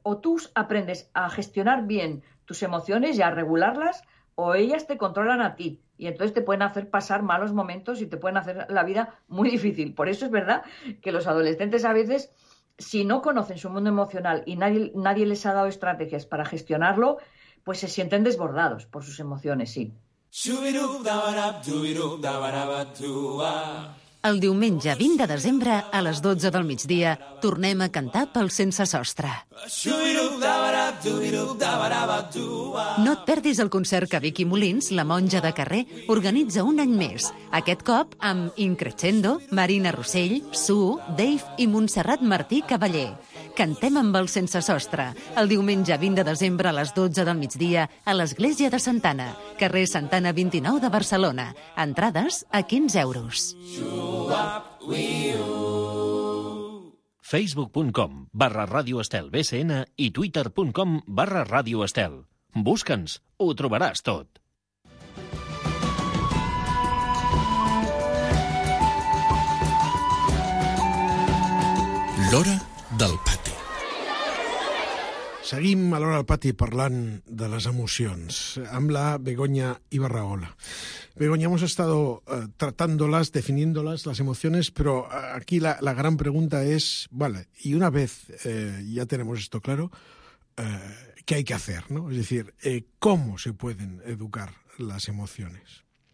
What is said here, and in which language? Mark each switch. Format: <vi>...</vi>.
<es>O tú aprendes a gestionar bien tus emociones y a regularlas, o ellas te controlan a ti y entonces te pueden hacer pasar malos momentos y te pueden hacer la vida muy difícil. Por eso es verdad que los adolescentes a veces, si no conocen su mundo emocional y nadie les ha dado estrategias para gestionarlo, pues se sienten desbordados por sus emociones, sí.</es> <ca>El diumenge 20 de desembre, a les 12 del migdia, tornem a cantar pel Sense Sostre. No et perdis el concert que Vicky Molins, la monja de carrer, organitza un any més. Aquest cop amb Increcendo, Marina Rossell, Sue, Dave i Montserrat Martí Cavaller. Cantem amb el Sense Sostre, el diumenge 20 de desembre a les 12 del migdia a l'Església de Santa Anna, carrer Santa Anna 29 de Barcelona. Entrades a 15 euros. facebook.com/radioestelbcn i twitter.com/radioestel. Busca'ns, ho trobaràs tot. L'hora del pati. Seguim a l'hora del pati parlant de les emocions amb la Begoña Ibarraola.</ca> <es>Begoña, hemos estado tratándolas, definiéndolas, las emociones, pero aquí la gran pregunta es, vale, y una vez ya tenemos esto claro, ¿qué hay que hacer, no? Es decir, ¿cómo se pueden educar las emociones?</es>